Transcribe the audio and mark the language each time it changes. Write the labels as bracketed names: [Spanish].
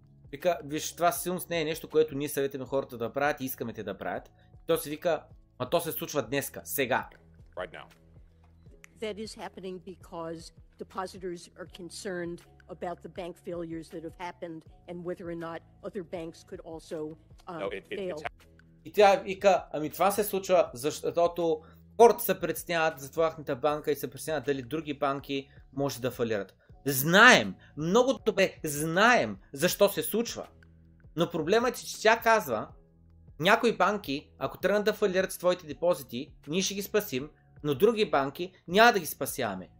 [Bulgarian] Вика, виж, това силно не е нещо, което ние съветваме хората да правят и искаме те да правят. То си вика, а то се случва днеска, сега. [English] Right now. That is happening because depositors are concerned about the bank failures that have happened and whether or not other banks could also fail. [Bulgarian] И тя вика, ами това се случва, защото хората се предсняват за тяхната банка и се предсняват дали други банки може да фалират. Знаем, много добре знаем защо се случва. Но проблемът е, че тя казва, някои банки, ако тръгнат да фалират с твоите депозити, ние ще ги спасим, но други банки няма да ги спасяваме.